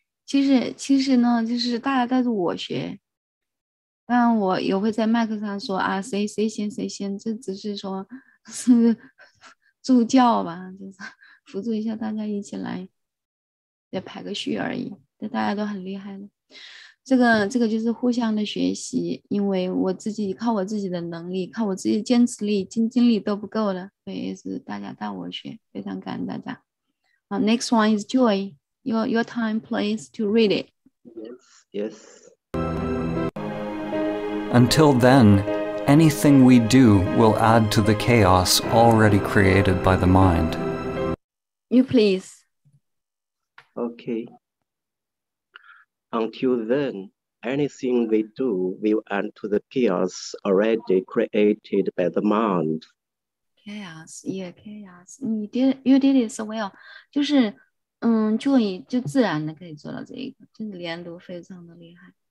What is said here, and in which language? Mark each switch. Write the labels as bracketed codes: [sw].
[zh] 其实呢，就是大家带着我学，但我也会在麦克上说啊，谁先，这只是说是助教吧，就是辅助一下大家一起来，也排个序而已。但大家都很厉害的。这个就是互相的学习，因为我自己靠我自己的能力，靠我自己坚持力、精力都不够了，所以是大家带我学，非常感恩大家。 [en] Next one is Joy, your time, please, to read it. Yes. Until then, anything we do will add to the chaos already created by the mind. You please. Okay. Until then, anything we do will add to the chaos already created by the mind. Chaos, yeah, chaos. You did it so well. [zh] 就是Joy 就自然的可以做到这一个，就是连读非常的厉害。